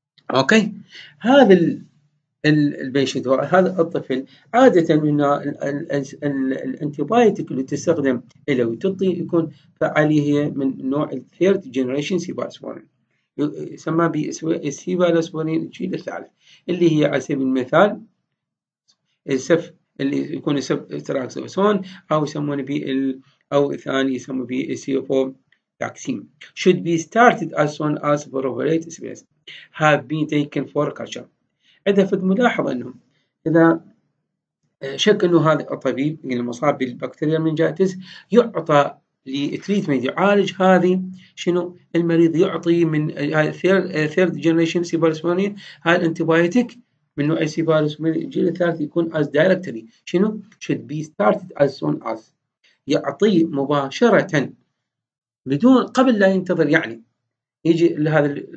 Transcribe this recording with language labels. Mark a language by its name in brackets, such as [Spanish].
[Arabic] اوكي، هذا البيشنت هذا الطفل عادة من الانتيبايتك اللي تستخدم له وتعطي يكون فعالية هي من نوع الثيرد جنريشن سيفالسبورين، يسمى بسيفالسبورين الجيل الثالث، اللي هي على سبيل المثال السف اللي يكون السف تراكسوسون، او يسمونه بي ال او ثاني يسمونه بي سي اف او تاكسين. [English] should be started as soon as appropriate specimens have been taken for culture. [Arabic] إذا فد ملاحظ أنه إذا شك أنه هذا الطبيب المصاب بالبكتيريا المنجاتس يعطى لتريتمنت يعالج هذه شنو المريض، يعطي من ثيرد جنريشن سيفالسبورين هذا الانتيبايوتيك من نوع السيفالس من الجيل الثالث، يكون [English] as directly [Arabic] شنو [English] should be started as soon as, [Arabic] يعطي مباشرة بدون قبل لا ينتظر، يعني يجي لهذا